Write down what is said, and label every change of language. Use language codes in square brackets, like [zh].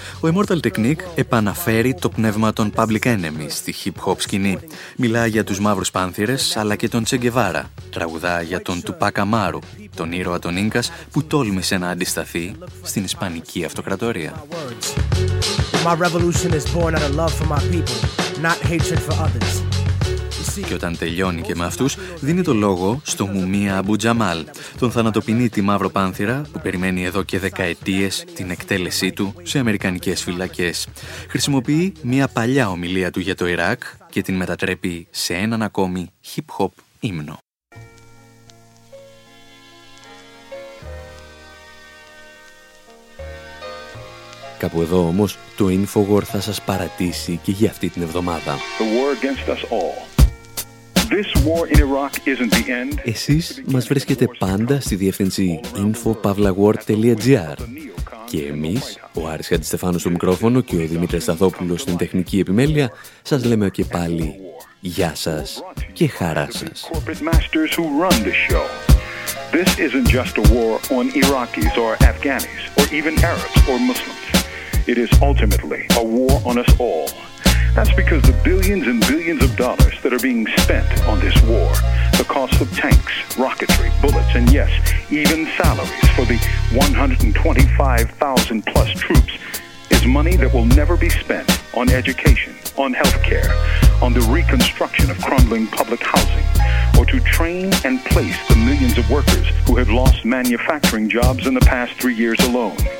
[el] Ο Immortal Technique επαναφέρει το πνεύμα των Public Enemy στη hip-hop σκηνή. Μιλά για τους Μαύρους Πάνθυρες, αλλά και τον Τσεγκεβάρα. Τραγουδά για τον Τουπάκ Αμάρου, τον ήρωα των Ίγκας που τόλμησε να αντισταθεί στην Ισπανική Αυτοκρατορία. [en] My revolution is born out of love for my people, not hatred for others. [el] Και όταν τελειώνει και με αυτούς, δίνει το λόγο στο Μουμία Αμπού Τζαμάλ, τον θανατοπινίτη Μαύρο Πάνθυρα που περιμένει εδώ και δεκαετίες την εκτέλεσή του σε αμερικανικές φυλακές. Χρησιμοποιεί μια παλιά ομιλία του για το Ιράκ και την μετατρέπει σε έναν ακόμη hip-hop ύμνο. Κάπου εδώ όμως, το InfoWar θα σας παρατήσει και για αυτή την εβδομάδα. [en] The war against us all. This war in Iraq isn't the end. [el] Εσείς μας βρίσκετε πάντα στη διεύθυνση info.pavlaguard.gr. Και εμείς, ο Άρης Χατζηστεφάνου στο μικρόφωνο και ο Δημήτρης Σταθόπουλος στην τεχνική επιμέλεια, σας λέμε και πάλι γεια σας και χαρά σας. [en] This isn't just a war on Iraqis or Afghanis or even Arabs or Muslims. It is ultimately a war on us all. That's because the billions and billions of dollars that are being spent on this war, the cost of tanks, rocketry, bullets, and yes, even salaries for the 125,000 plus troops, is money that will never be spent on education, on healthcare, on the reconstruction of crumbling public housing, or to train and place the millions of workers who have lost manufacturing jobs in the past 3 years alone.